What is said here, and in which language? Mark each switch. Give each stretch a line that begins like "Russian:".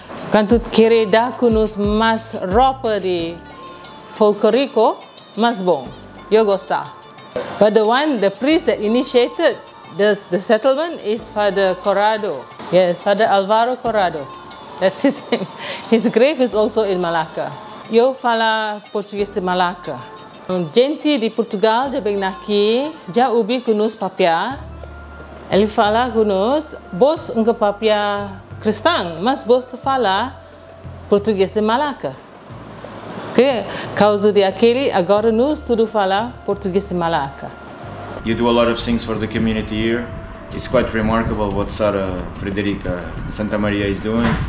Malaccan Creole Portuguese: Quando querer dar conosco mais roupa de folclórico, mais bom. Eu gosto.
English: But the one, the priest that initiated the settlement is Father Corrado. Yes, Father Alvaro Corrado. That's his name. His grave is also in Malaca.
Malaccan Creole Portuguese: Eu falo português de Malaca. Gente de Portugal já vem aqui, já ouvi conosco papia. Ele fala conosco, vos nga papia cristão, mas vos te fala português de Malaca. Que causa de aquele, agora nos tudo fala português de Malaca.
English: You do a lot of things for the community here. It's quite remarkable what Sara Frederica Santa Maria is doing.